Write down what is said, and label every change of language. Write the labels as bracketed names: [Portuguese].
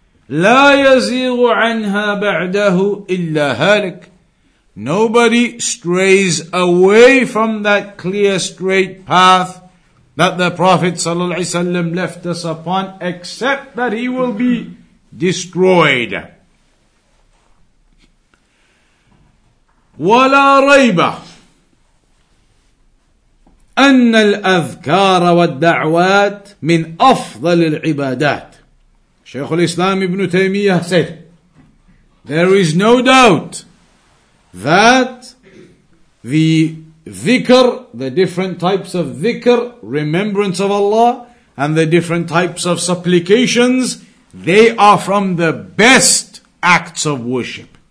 [Arabic] لا يزيغ عنها بعده إلا هالك. [English] Nobody strays away from that clear straight path that the Prophet sallallahu alaihi wasallam left us upon, except that he will be destroyed. [Arabic] ولا ريب أن الأذكار والدعوات من أفضل العبادات. [English] Shaykh al-Islam ibn Taymiyyah said, there is no doubt that the dhikr, the different types of dhikr, remembrance of Allah, and the different types of supplications, they are from the best acts of worship.